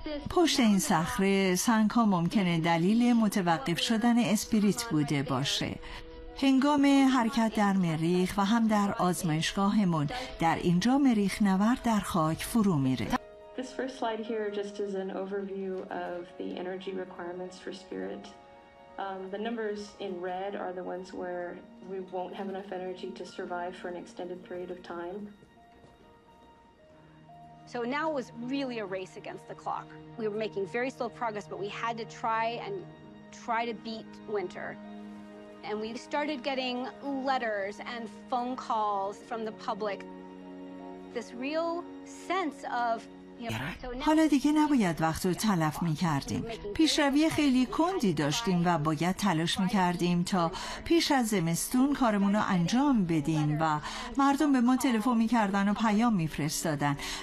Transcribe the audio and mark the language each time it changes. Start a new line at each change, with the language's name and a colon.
Persian: پشت این صخره سنگ ها ممکنه دلیل متوقف شدن اسپریت بوده باشه. هنگام حرکت در مریخ و هم در آزمایشگاهمون در اینجا مریخ نورد در خاک فرو میره.
English: This first slide here just is an overview of the energy requirements for spirit. The numbers in red are the ones where we won't have enough energy to survive for an extended period of time. So now it was really a race against the clock. We were making very slow progress, but we had to try to beat winter. And we started getting letters and phone calls from the public. This real sense of
Persian: حالا دیگه نباید وقت رو تلف می کردیم. پیشروی خیلی کندی داشتیم و باید تلاش می کردیم تا پیش از زمستون کارمون رو انجام بدیم و مردم به ما تلفن می کردن و پیام می فرستادن.